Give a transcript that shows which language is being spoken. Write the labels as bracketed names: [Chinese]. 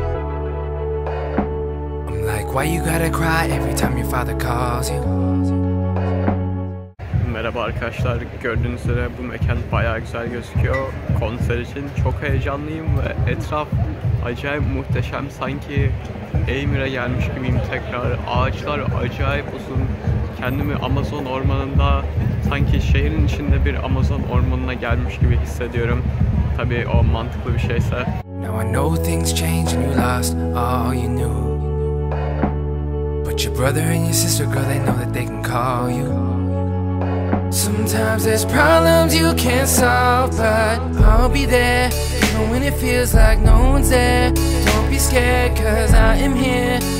[English] I'm like, why you gotta cry every time your father calls you? [Turkish] Merhaba arkadaşlar, gördüğünüz üzere bu mekan bayağı güzel gözüküyor. Konser için çok heyecanlıyım ve etraf acayip muhteşem, sanki Eymir'e gelmiş gibiyim tekrar. Ağaçlar acayip uzun. Kendimi Amazon ormanında, sanki şehrin içinde bir Amazon ormanına gelmiş gibi hissediyorum. Tabii o mantıklı bir şeyse. [English] Now I know things change and you lost all you knew. But your brother and your sister, girl, they know that they can call you. Sometimes there's problems you can't solve, but I'll be there. Even when it feels like no one's there, don't be scared, cause I am here.